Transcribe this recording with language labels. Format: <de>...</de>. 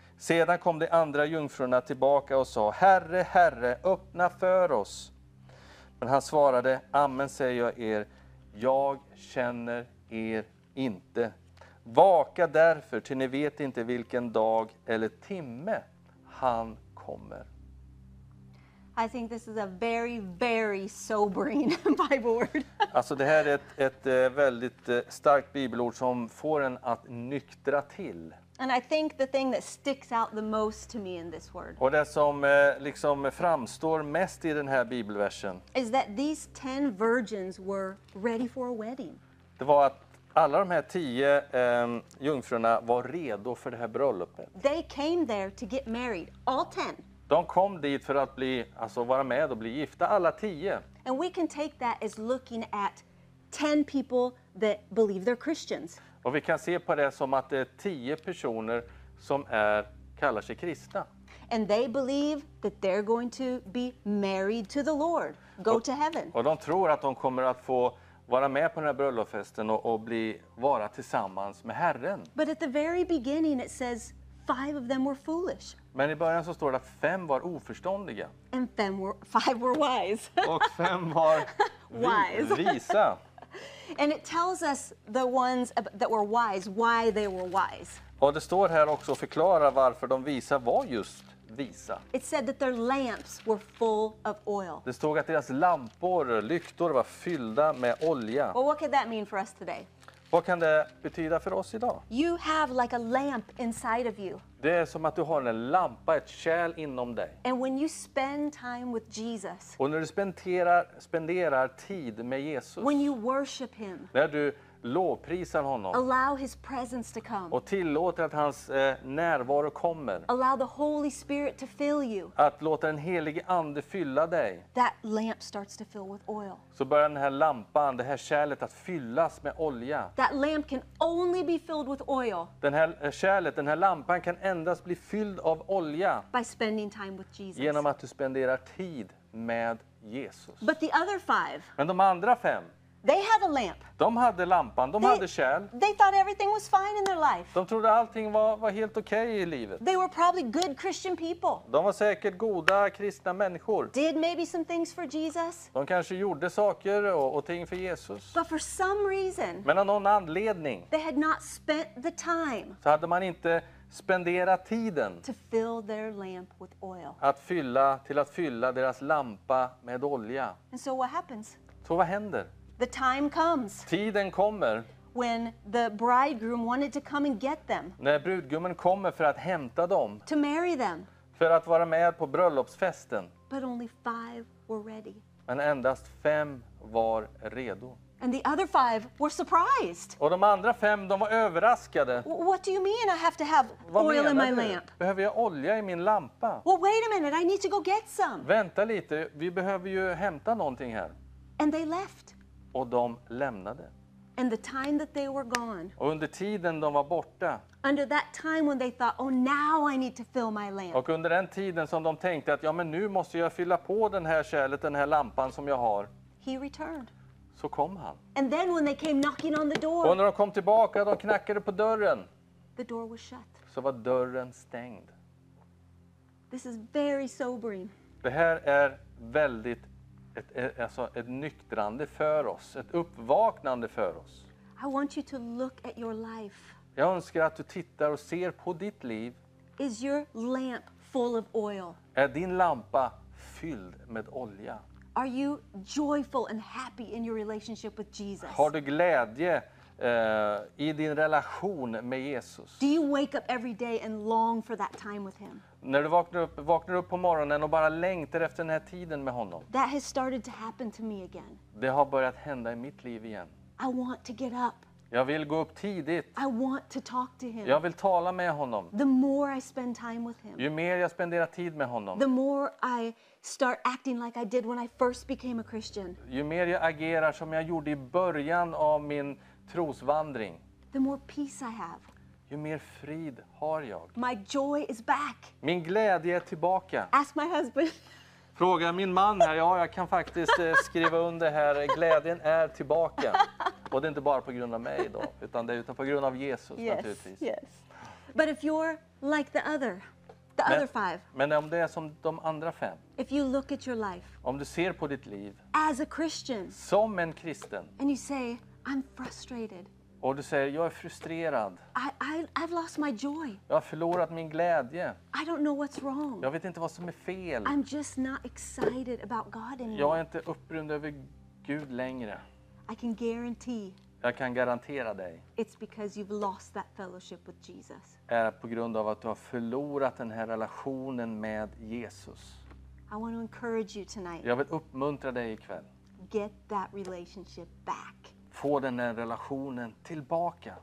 <sv>Sedan kom de andra jungfrurna tillbaka och sa, Herre, Herre, öppna för oss. Men han svarade, amen säger jag er, jag känner er inte. Vaka därför, till ni vet inte vilken dag eller timme han kommer.</sv> <en>I think this is a very, very sobering Bible word.</en> <sv>Alltså det här är ett väldigt starkt bibelord som får en att nyktra till.</sv> <en>And I think the thing that sticks out the most to me in this word.</en> <sv>Och det som liksom framstår mest I den här bibelversen.</sv> <en>Is that these 10 virgins were ready for a wedding.</en> <sv>Det var att alla de här 10 jungfrurna var redo för det här bröllopet.</sv> <en>They came there to get married, all 10.</en> <sv>De kom dit för att bli, alltså vara med och bli gifta, alla 10.</sv> <en>And we can take that as looking at 10 people that believe they're Christians.</en> <sv>Och vi kan se på det som att det är 10 personer som kallar sig kristna.</sv> <en>And they believe that they're going to be married to the Lord, to heaven.</en> <sv>Och de tror att de kommer att få vara med på den här bröllopsfesten och bli vara tillsammans med Herren.</sv> <en>But at the very beginning it says 5 of them were foolish.</en> <sv>Men I början så står det att 5 var oförståndiga.</sv> <en>And 5 were wise.</en> <sv>Och 5 var wise. Visa.</sv> <en>And it tells us the ones that were wise, why they were wise.</en> <sv>Och det står här också att förklara varför de visa var just visa.</sv> <en>It said that their lamps were full of oil.</en> <sv>Det stod att deras lampor, lyktor var fyllda med olja.</sv> <en>Well, what could that mean for us today?</en> <sv>Vad kan det betyda för oss idag?</sv> <en>You have like a lamp inside of you.</en> <sv>Det är som att du har en lampa, ett kärl inom dig.</sv> <en>And when you spend time with Jesus.</en> <sv>Och när du spenderar tid med Jesus.</sv> <en>When you worship him.</en> <sv>När du lovprisar honom.</sv> <en>Allow his presence to come.</en> <sv>Och tillåter att hans närvaro kommer.</sv> <en>Allow the Holy Spirit to fill you.</en> <sv>Att låta den helige ande fylla dig.</sv> <en>That lamp starts to fill with oil.</en> <sv>Så börjar den här lampan, det här kärlet att fyllas med olja.</sv> <en>That lamp can only be filled with oil.</en> <sv>Den här kärlet, den här lampan kan endast bli fylld av olja.</sv> <en>By spending time with Jesus.</en> <sv>Genom att du spenderar tid med Jesus.</sv> <en>But the other five.</en> <sv>Men de andra fem.</sv> <en>They had a lamp.</en> <sv>De hade lampan, de hade kärl.</sv> <en>They thought everything was fine in their life.</en> <sv>De trodde allting var helt okej i livet.</sv> <en>They were probably good Christian people.</en> <sv>De var säkert goda kristna människor.</sv> <en>Did maybe some things for Jesus.</en> <sv>De kanske gjorde saker och ting för Jesus.</sv> <en>But for some reason.</en> <sv>Men av någon anledning.</sv> <en>They had not spent the time.</en> <sv>Så hade man inte spenderat tiden.</sv> <en>To fill their lamp with oil.</en> <sv>Att fylla deras lampa med olja.</sv> <en>And so what happens?</en> <sv>Så vad händer?</sv> <en>The time comes.</en> <sv>Tiden kommer.</sv> <en>When the bridegroom wanted to come and get them.</en> <sv>När brudgummen kommer för att hämta dem.</sv> <en>To marry them.</en> <sv>För att vara med på bröllopsfesten.</sv> <en>But only five were ready.</en> <sv>Men endast fem var redo.</sv> <en>And the other five were surprised.</en> <sv>Och de andra fem, de var överraskade.</sv> <en>What do you mean I have to have oil in my lamp?</en> <sv>Behöver jag olja i min lampa?</sv> <en>Well, wait a minute, I need to go get some.</en> <sv>Vänta lite, vi behöver ju hämta någonting här.</sv> <en>And they left.</en> <sv>Och de lämnade.</sv> <en>And the time that they were gone.</en> <sv>Och under tiden de var borta.</sv> <en>Under that time when they thought, oh, now I need to fill my lamp.</en> <sv>Och under den tiden som de tänkte att ja, men nu måste jag fylla på den här kärlet, den här lampan som jag har.</sv> <en>He returned.</en> <sv>Så kom han.</sv> <en>And then when they came knocking on the door.</en> <sv>Och när de kom tillbaka, de knackade på dörren.</sv> <en>The door was shut.</en> <sv>Så var dörren stängd.</sv> <en>This is very sobering.</en> <sv>Det här är väldigt ett nyktrande för oss, ett uppvaknande för oss.</sv> <en>I want you to look at your life.</en> <sv>Jag önskar att du tittar och ser på ditt liv.</sv> <en>Is your lamp full of oil?</en> <sv>Är din lampa fylld med olja?</sv> <en>Are you joyful and happy in your relationship with Jesus?</en> <sv>Har du glädje i din relation med Jesus?</sv> <en>Do you wake up every day and long for that time with him?</en> <sv>När du vaknar upp på morgonen och bara längtar efter den här tiden med honom.</sv> <en>That has started to happen to me again.</en> <sv>Det har börjat hända i mitt liv igen.</sv> <en>I want to get up.</en> <sv>Jag vill gå upp tidigt.</sv> <en>I want to talk to him.</en> <sv>Jag vill tala med honom.</sv> <en>The more I spend time with him.</en> <sv>Ju mer jag spenderar tid med honom.</sv> <en>The more I start acting like I did when I first became a Christian.</en> <sv>Ju mer jag agerar som jag gjorde i början av min trosvandring.</sv> <en>The more peace I have.</en> <sv>Ju mer frid har jag.</sv> <en>My joy is back.</en> <sv>Min glädje är tillbaka.</sv> <en>Ask my husband.</en> <sv>Fråga min man här. Ja, jag kan faktiskt skriva under här. Glädjen är tillbaka. Och det är inte bara på grund av mig då, utan det är utan på grund av Jesus,</sv> <en>yes,</en> <sv>naturligtvis.</sv> <en>Yes. But if you're like the other five.</en> <sv>Men om det är som de andra fem.</sv> <en>If you look at your life.</en> <sv>Om du ser på ditt liv.</sv> <en>As a Christian.</en> <sv>Som en kristen.</sv> <en>And you say, I'm frustrated.</en> <sv>Och du säger, jag är frustrerad.</sv> <en>I've lost my joy.</en> <sv>Jag har förlorat min glädje.</sv> <en>I don't know what's wrong.</en> <sv>Jag vet inte vad som är fel.</sv> <en>I'm just not excited about God anymore.</en> <sv>Jag är inte upprymd över Gud längre.</sv> <en>I can guarantee.</en> <sv>Jag kan garantera dig.</sv> <en>It's because you've lost that fellowship with Jesus.</en> <sv>Är på grund av att du har förlorat den här relationen med Jesus.</sv> <en>I want to encourage you tonight.</en> <sv>Jag vill uppmuntra dig ikväll.</sv> <en>Get that relationship back.</en> <sv>Få den här relationen tillbaka.</sv>